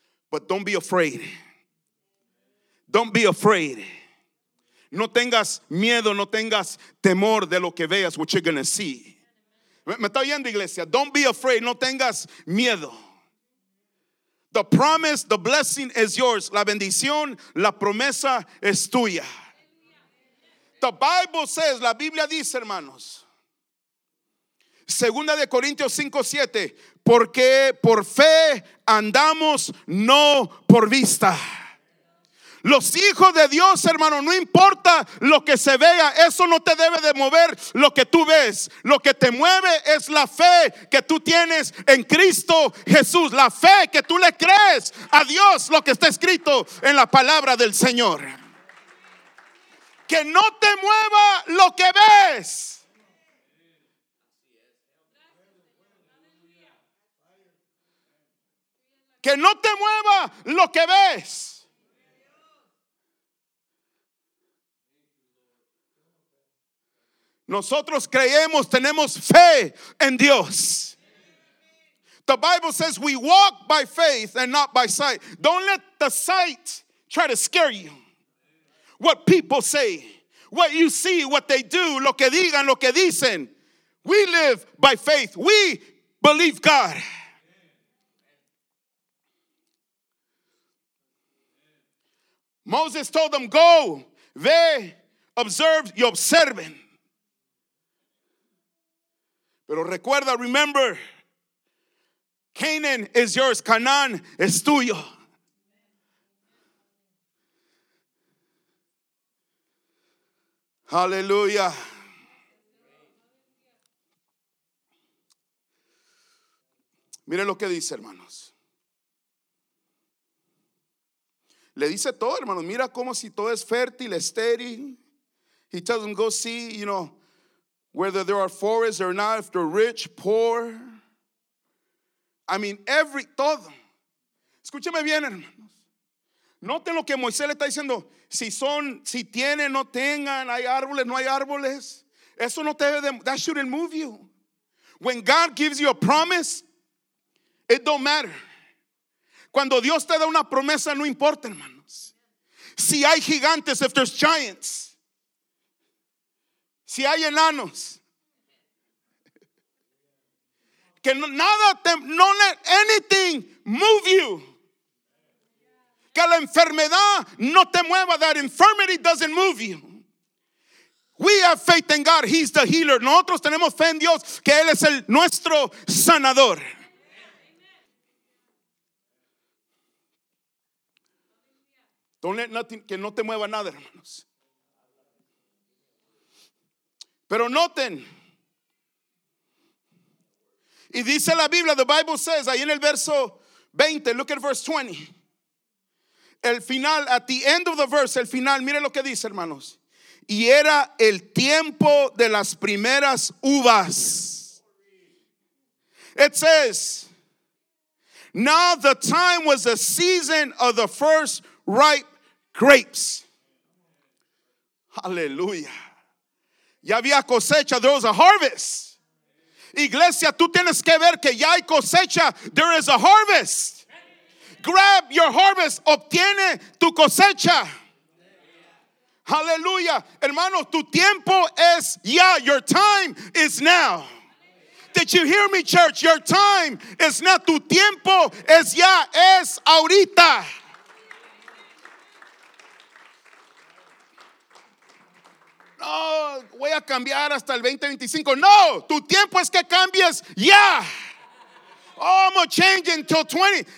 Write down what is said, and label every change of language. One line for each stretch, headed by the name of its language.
English: But don't be afraid. Don't be afraid.
Spanish: No tengas miedo, no tengas temor de lo que veas,
English: what you're going to see.
Spanish: Me está oyendo, iglesia.
English: Don't be afraid.
Spanish: No tengas miedo.
English: The promise, the blessing is yours.
Spanish: La bendición, la promesa es tuya.
English: The Bible says,
Spanish: la Biblia dice, hermanos. Segunda de Corintios 5:7. Porque por fe andamos, no por vista. Los hijos de Dios, hermano, no importa lo que se vea, eso no te debe de mover lo que tú ves. Lo que te mueve es la fe que tú tienes en Cristo Jesús. La fe que tú le crees a Dios, lo que está escrito en la palabra del Señor. Que no te mueva lo que ves. Que no te mueva lo que ves. Nosotros creemos, tenemos fe en Dios.
English: The Bible says we walk by faith and not by sight. Don't let the sight try to scare you. What people say, what you see, what they do,
Spanish: lo que digan, lo que dicen.
English: We live by faith. We believe God. Moses told them, go,
Spanish: ve,
English: observe,
Spanish: y observen. Pero recuerda,
English: remember, Canaan is yours,
Spanish: Canaan es tuyo.
English: Hallelujah.
Spanish: Miren lo que dice, hermanos. Le dice todo, hermanos. Mira como si todo es fértil, estéril.
English: He tells them, go see, you know, whether there are forests or not, if they're rich, poor. I mean,
Spanish: todo. Escúcheme bien, hermanos. Noten lo que Moisés le está diciendo. si son, si tienen, no tengan, hay árboles, no hay árboles. Eso no te debe de, that shouldn't move you. When God gives you a promise, it don't matter. Cuando Dios te da una promesa, no importa, hermanos. Si hay gigantes,
English: if there's giants.
Spanish: Si hay enanos. Que no, nada, te, no
English: let anything move you.
Spanish: Que la enfermedad no te mueva.
English: That infirmity doesn't move you. We have faith in God. He's the healer.
Spanish: Nosotros tenemos fe en Dios, que Él es el nuestro sanador.
English: Don't let nothing,
Spanish: que no te mueva nada, hermanos. Pero noten, y dice la Biblia,
English: the Bible says,
Spanish: ahí en el verso 20,
English: look at verse 20.
Spanish: El final,
English: at the end of the verse,
Spanish: el final, mire lo que dice, hermanos. Y era el tiempo de las primeras uvas.
English: It says, now the time was the season of the first ripe grapes.
Spanish: Aleluya. Ya había cosecha,
English: there was a harvest.
Spanish: Iglesia, tú tienes que ver que ya hay cosecha,
English: there is a harvest. Grab your harvest,
Spanish: obtiene tu cosecha. Aleluya. Hermano, tu tiempo es ya,
English: your time is now. Did you hear me, church? Your time is now.
Spanish: Tu tiempo es ya, es ahorita. No, voy a cambiar hasta el 2025. No, tu tiempo es que cambies ya.
English: Oh, I'm gonna change until 20.